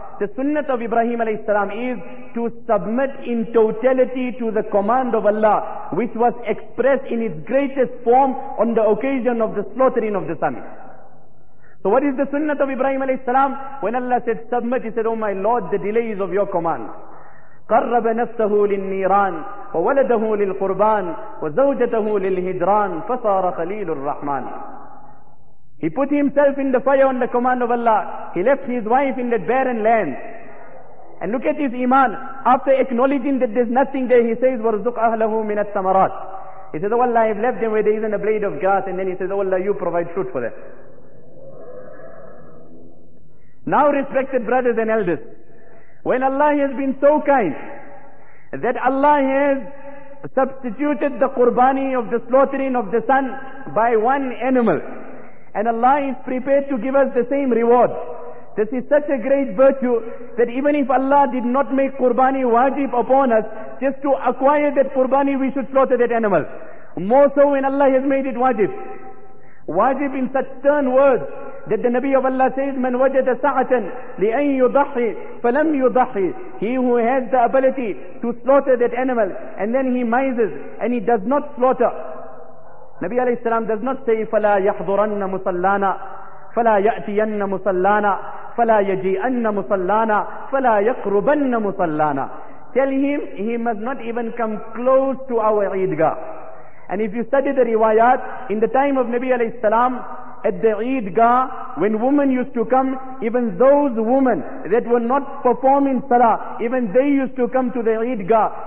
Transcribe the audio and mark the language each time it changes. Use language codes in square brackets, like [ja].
[en] The sunnah of Ibrahim alayhi salam is to submit in totality to the command of Allah, which was expressed in its greatest form on the occasion of the slaughtering of the son. So what is the sunnah of Ibrahim alayhi salam? When Allah said submit, he said, oh my Lord, the delay is of your command. [ar] قرب نفسه للنيران وولده للقربان وزوجته للهجران فصار خليل الرحمن. [en] He put himself in the fire on the command of Allah. He left his wife in that barren land. And look at his iman. After acknowledging that there's nothing there, he says, [ar] وَرْزُقْ أَهْلَهُ مِنَ الثَّمَرَاتِ. [en] He says, oh Allah, I've left them where there isn't a blade of grass. And then he says, oh Allah, you provide fruit for them. Now, respected brothers and elders, when Allah has been so kind that Allah has substituted the qurbani of the slaughtering of the son by one animal, and Allah is prepared to give us the same reward, this is such a great virtue that even if Allah did not make qurbani wajib upon us, just to acquire that qurbani, we should slaughter that animal. More so when Allah has made it wajib. Wajib in such stern words that the Nabi of Allah says, [ar] من وجد سعة لأن يضحي فلم يضحي. [en] He who has the ability to slaughter that animal and then he mises and he does not slaughter. Nabi alayhi salam does not say, [ar] فَلَا يَحْضُرَنَّ مُصَلَّانَا فَلَا يَأْتِيَنَّ مُصَلَّانَا فَلَا يَجِئَنَّ مُصَلَّانَا فَلَا يَقْرُبَنَّ مُصَلَّانَا. [en] Tell him, he must not even come close to our Eidgah. And if you study the riwayat, in the time of Nabi alayhi salam, at the Eidgah, when women used to come, even those women that were not performing salah, even they used to come to the Eidgah.